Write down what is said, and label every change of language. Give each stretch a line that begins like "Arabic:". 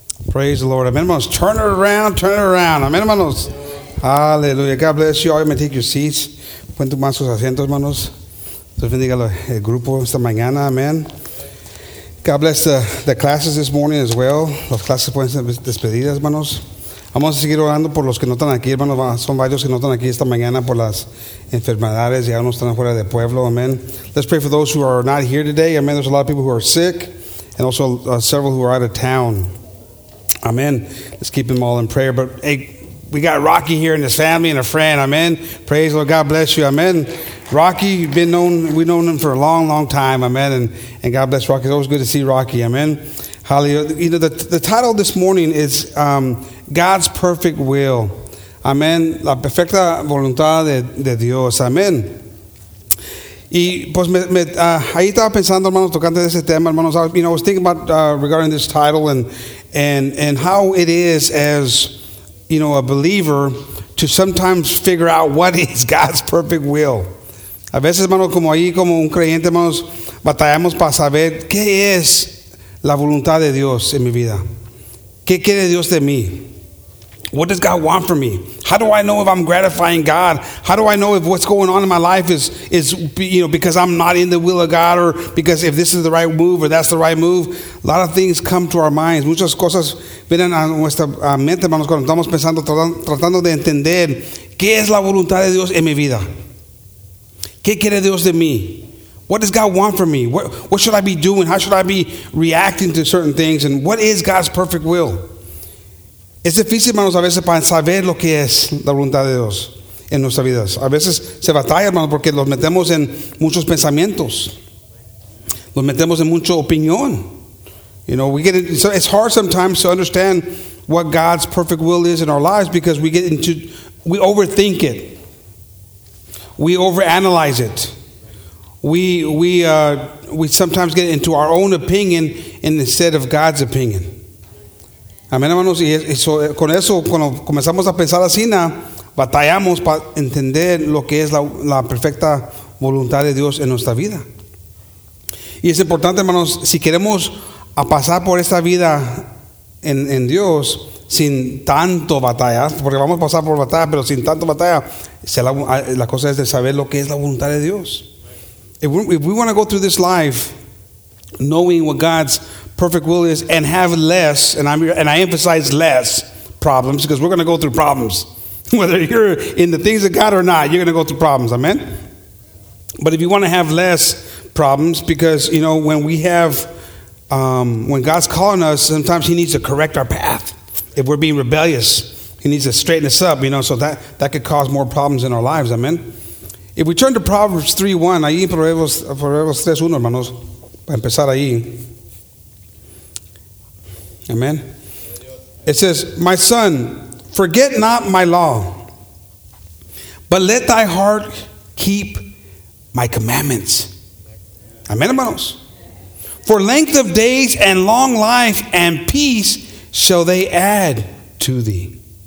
English: Praise the Lord. Amen. Turn it around. Turn it around. Amen, hermanos. Hallelujah. God bless you. All you may take your seats.
Spanish: Pon tu mano sus asientos, hermanos. Dios bendiga el grupo esta mañana. Amen.
English: God bless the classes this morning as well.
Spanish: Las clases pueden ser despedidas, hermanos. Vamos a seguir orando por los que no están aquí, hermanos. Son varios que no están aquí esta mañana por las enfermedades. Ya no están fuera de pueblo. Amen.
English: Let's pray for those who are not here today. Amen. There's a lot of people who are sick and also several who are out of town. Amen. Let's keep them all in prayer. But hey, we got Rocky here and his family and a friend. Amen. Praise the Lord. God bless you. Amen. Rocky, you've been known, we've known him for a long, long time. Amen. And God bless Rocky. It's always good to see Rocky. Amen. Hallelujah. You know, the title this morning is God's Perfect Will. Amen.
Spanish: La perfecta voluntad de Dios. Amen. Y pues ahí estaba pensando, hermanos, tocando de ese tema, hermanos.
English: You know, I was thinking about regarding this title and how it is as, you know, a believer to sometimes figure out what is God's perfect will.
Spanish: A veces, hermanos, como ahí, como un creyente, hermanos, batallamos para saber qué es la voluntad de Dios en mi vida. ¿Qué quiere Dios de mí?
English: What does God want from me? How do I know if I'm gratifying God? How do I know if what's going on in my life is you know, because I'm not in the will of God, or because if this is the right move or that's the right move? A lot of things come to our minds.
Spanish: Muchas cosas vienen a nuestra mente, hermanos, cuando estamos pensando, tratando de entender qué es la voluntad de Dios en mi vida. ¿Qué quiere Dios de mí?
English: What does God want from me? What should I be doing? How should I be reacting to certain things? And what is God's perfect will?
Spanish: Es difícil, hermanos, a veces para saber lo que es la voluntad de Dios en nuestras vidas. A veces se batalla, hermanos, porque los metemos en muchos pensamientos. Los metemos en mucha opinión.
English: You know, it's hard sometimes to understand what God's perfect will is in our lives because we overthink it. We overanalyze it. We sometimes get into our own opinion instead of God's opinion.
Spanish: Amén, hermanos, y eso, con eso, cuando comenzamos a pensar así, ¿no? Batallamos para entender lo que es la perfecta voluntad de Dios en nuestra vida. Y es importante, hermanos, si queremos a pasar por esta vida en Dios sin tanto batalla, porque vamos a pasar por batalla, pero sin tanto batalla, la cosa es de saber lo que es la voluntad de Dios.
English: If we want to go through this life knowing what God's perfect will is and have less, and I emphasize less, problems, because we're going to go through problems. Whether you're in the things of God or not, you're going to go through problems. Amen? But if you want to have less problems, because, you know, when we have, when God's calling us, sometimes he needs to correct our path. If we're being rebellious, he needs to straighten us up, you know, so that could cause more problems in our lives. Amen? If we turn to Proverbs 3:1,
Spanish: ahí en Proverbios 3:1, hermanos, para empezar ahí. Amen.
English: It says, my son, forget not my law, but let thy heart keep my commandments. Amen, hermanos. For length of days and long life and peace shall they add to thee.